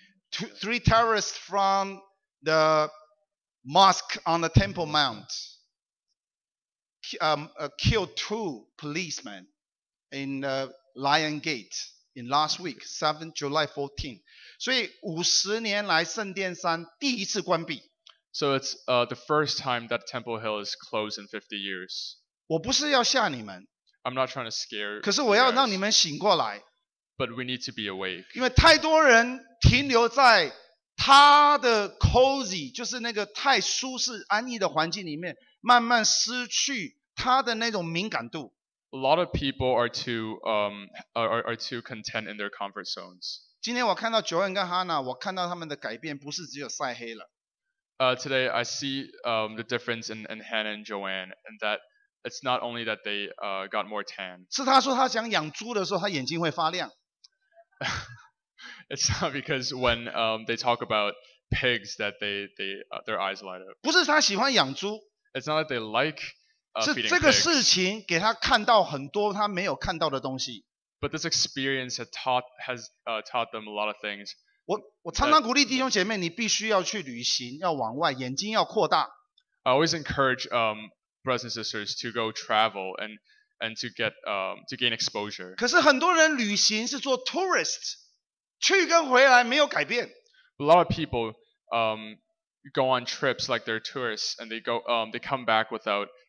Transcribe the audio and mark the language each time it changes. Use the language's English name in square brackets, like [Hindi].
[English] Three terrorists from the mosque on the Temple Mount killed two policemen in the Lion Gate. In last week, 7 July 14. [Chinese] 所以五十年来圣殿山第一次关闭。 [English] So it's the first time that Temple Hill is closed in 50 years. [Chinese] 我不是要吓你们。 [English] I'm not trying to scare you guys. [Chinese] 可是我要让你们醒过来。 [English] but we need to be awake. [Chinese] 因为太多人停留在他的 cozy， 就是那个太舒适安逸的环境里面，慢慢失去他的那种敏感度。 [English] A lot of people are too content in their comfort zones. [Chinese] 今天我看到 Joanne 跟 Hannah， 我看到他们的改变不是只有晒黑了。 [English] Today I see the difference in Hannah and Joanne, and that it's not only that they got more tan. [Chinese] 是他说他想养猪的时候，他眼睛会发亮。 [English] It's not because when they talk about pigs that their eyes light up. [Chinese] 不是他喜欢养猪。 [English] It's not that they like. [Chinese] 是这个事情给他看到很多他没有看到的东西。 [English] But this experience has taught them a lot of things. [Chinese] 我常常鼓励弟兄姐妹，你必须要去旅行，要往外，眼睛要扩大。 [English] I always encourage brothers and sisters to go travel and to get to gain exposure. [Chinese] 可是很多人旅行是做 tourist， 去跟回来没有改变。 [English] A lot of people go on trips like they're tourists and they come back without.